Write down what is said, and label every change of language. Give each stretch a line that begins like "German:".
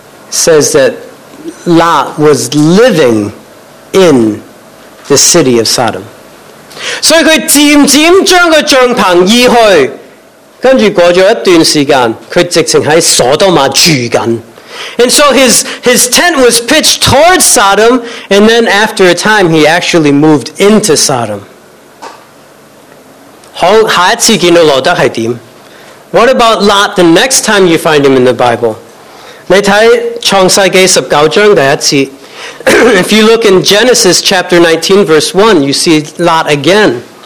English: says that Lot was living in the city of Sodom.
Cantonese: 所以他渐渐将个帐篷移去，跟住过咗一段时间，他直情喺所多玛住紧。
English: And so his tent was pitched towards Sodom, and then after a time, he actually moved into Sodom.
Cantonese: 好，下一次见到罗德系点？
English: What about Lot the next time you find him in the Bible?
Cantonese: 你睇创世纪十九章第一节。
English: If you look in Genesis chapter 19 verse 1, you see Lot again.